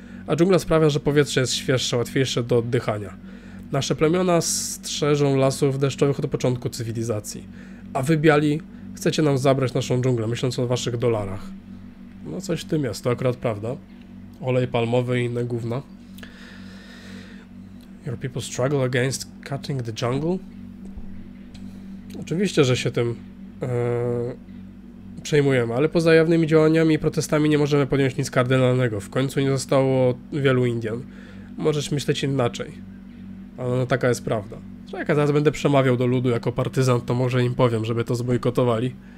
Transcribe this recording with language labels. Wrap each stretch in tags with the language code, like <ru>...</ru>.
<pl>A dżungla sprawia, że powietrze jest świeższe, łatwiejsze do oddychania. Nasze plemiona strzeżą lasów deszczowych od początku cywilizacji. A wy biali chcecie nam zabrać naszą dżunglę, myśląc o waszych dolarach. No coś w tym jest, to akurat prawda. Olej palmowy i inne gówna.</pl> <en>Your people struggle against cutting the jungle?</en> <pl>Oczywiście, że się tym przejmujemy, ale poza jawnymi działaniami i protestami nie możemy podjąć nic kardynalnego. W końcu nie zostało wielu Indian. Możesz myśleć inaczej. Ale no, taka jest prawda. Czekaj, zaraz będę przemawiał do ludu jako partyzant, to może im powiem, żeby to zbojkotowali.</pl>